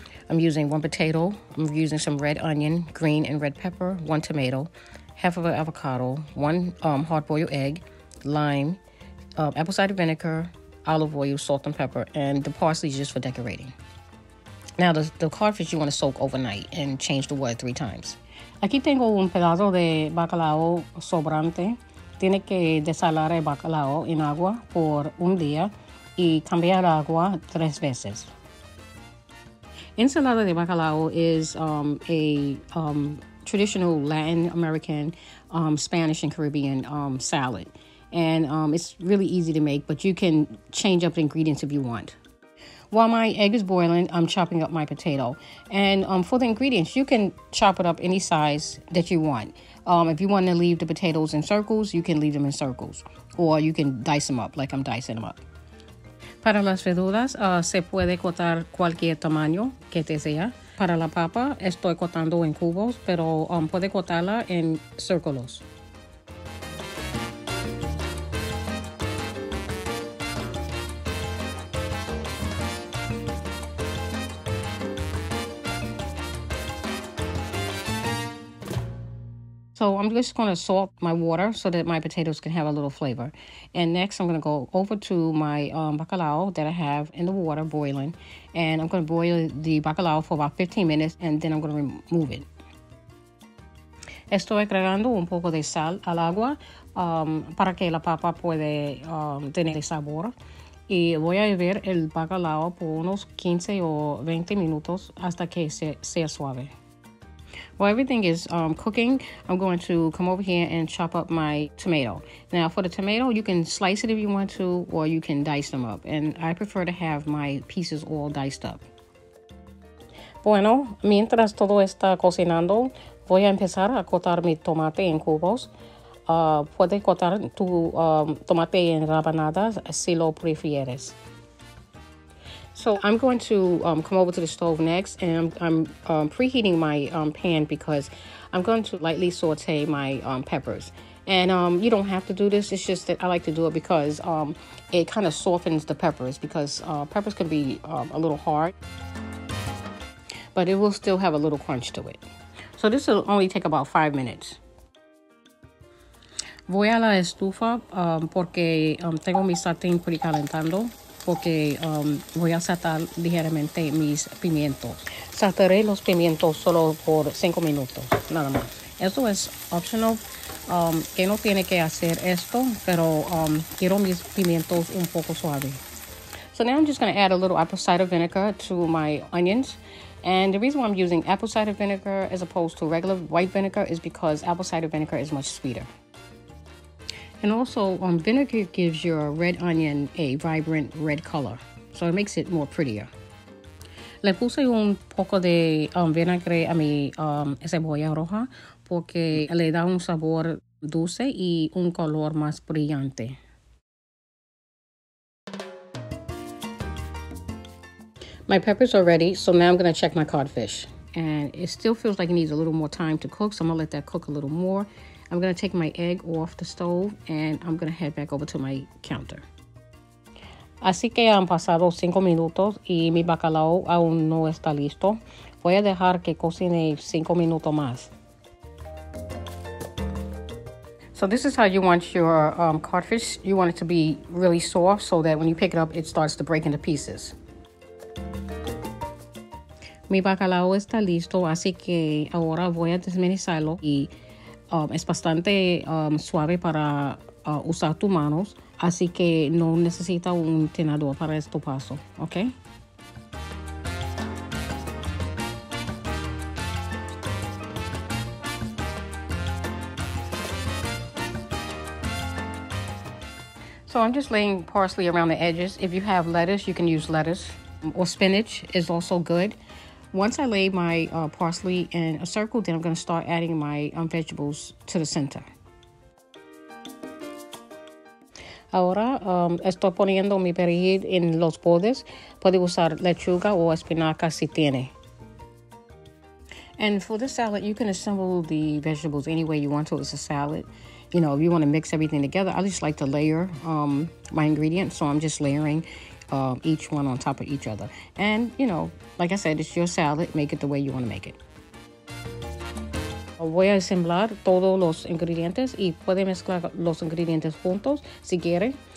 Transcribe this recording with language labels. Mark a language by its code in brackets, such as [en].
[en] I'm using one potato. I'm using some red onion, green and red pepper, one tomato, half of an avocado, one hard-boiled egg, lime, apple cider vinegar, olive oil, salt and pepper, and the parsley is just for decorating. Now, the codfish you want to soak overnight and change the water 3 times. [es] Aquí tengo un pedazo de bacalao sobrante. Tiene que desalar el bacalao en agua por un día y cambiar agua 3 veces. [en] Ensalada de bacalao is traditional Latin American, Spanish and Caribbean salad. And it's really easy to make, but you can change up the ingredients if you want. While my egg is boiling, I'm chopping up my potato. And for the ingredients, you can chop it up any size that you want. If you want to leave the potatoes in circles, you can leave them in circles. Or you can dice them up like I'm dicing them up. [es] Para las verduras, se puede cortar cualquier tamaño que te sea. Para la papa, estoy cortando en cubos, pero puede cortarla en círculos. [en] So I'm just going to salt my water so that my potatoes can have a little flavor. And next, I'm going to go over to my bacalao that I have in the water boiling. And I'm going to boil the bacalao for about 15 minutes, and then I'm going to remove it. [es] Estoy agregando un poco de sal al agua para que la papa pueda tener sabor. Y voy a hervir el bacalao por unos 15 o 20 minutos hasta que sea suave. [en] While everything is cooking, I'm going to come over here and chop up my tomato. Now, for the tomato, you can slice it if you want to, or you can dice them up. And I prefer to have my pieces all diced up. [es] Bueno, mientras todo está cocinando, voy a empezar a cortar mi tomate en cubos. Puedes cortar tu tomate en rebanadas si lo prefieres. [en] So I'm going to come over to the stove next, and I'm preheating my pan because I'm going to lightly saute my peppers. And you don't have to do this, it's just that I like to do it because it kind of softens the peppers, because peppers can be a little hard, but it will still have a little crunch to it. So this will only take about 5 minutes. [es] Voy a la estufa porque tengo mi sartén precalentando. Porque voy a saltar ligeramente mis pimientos. Saltaré los pimientos solo por 5 minutos, nada más. Eso es optional, que no tiene que hacer esto, pero quiero mis pimientos un poco suave. [en] So now I'm just going to add a little apple cider vinegar to my onions. And the reason why I'm using apple cider vinegar as opposed to regular white vinegar is because apple cider vinegar is much sweeter. And also, vinegar gives your red onion a vibrant red color, so it makes it more prettier. [es] Le puse un poco de vinagre a mi cebolla roja porque le da un sabor dulce y un color más brillante. [en] My peppers are ready, so now I'm going to check my codfish. And it still feels like it needs a little more time to cook, so I'm going to let that cook a little more. I'm going to take my egg off the stove, and I'm going to head back over to my counter. [es] Así que han pasado 5 minutos y mi bacalao aún no está listo. Voy a dejar que cocine 5 minutos más. [en] So this is how you want your codfish. You want it to be really soft so that when you pick it up, it starts to break into pieces. [es] Mi bacalao está listo, así que ahora voy a desmenuzarlo y es bastante suave para usar tus manos, así que no necesita un tenedor para este paso, ¿ok? [en] So I'm just laying parsley around the edges. If you have lettuce, you can use lettuce. Or spinach is also good. Once I lay my parsley in a circle, then I'm going to start adding my vegetables to the center. [es] Ahora estoy poniendo mi perejil en los bordes. Puede usar lechuga o espinaca si tiene. [en] And for the salad, you can assemble the vegetables any way you want to. It's a salad. You know, if you want to mix everything together, I just like to layer my ingredients. So I'm just layering each one on top of each other. And, you know, like I said, it's your salad. Make it the way you want to make it. [es] Voy a ensamblar todos los ingredientes y puede mezclar los ingredientes juntos si quiere.